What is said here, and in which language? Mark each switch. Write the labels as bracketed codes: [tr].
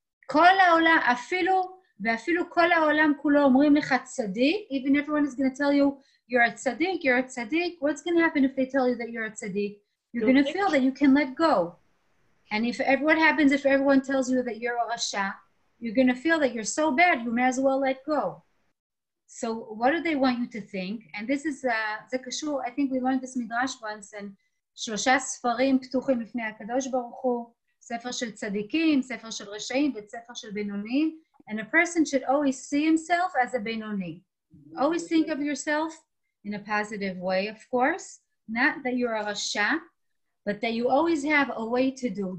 [he] כל העולם, ואפילו כל העולם כולו אומרים לך צדיק, [en] even everyone is going to tell you, you're a צדיק, what's going to happen if they tell you that you're a צדיק? You're going to feel that you can let go. And what happens if everyone tells you that you're a רשע? You're going to feel that you're so bad, you may as well let go. So what do they want you to think? And this is, [he] זה קשור, [en] I think we learned this midrash once, and [he] שלושה ספרים פתוחים לפני הקדוש ברוך הוא, ספר של צדיקים, ספר של רשעים, וספר של בינוניים. [en] And a person should always see himself as a בינוני. Always think of yourself in a positive way, of course. Not that you're a רשע, but that you always have a way to do.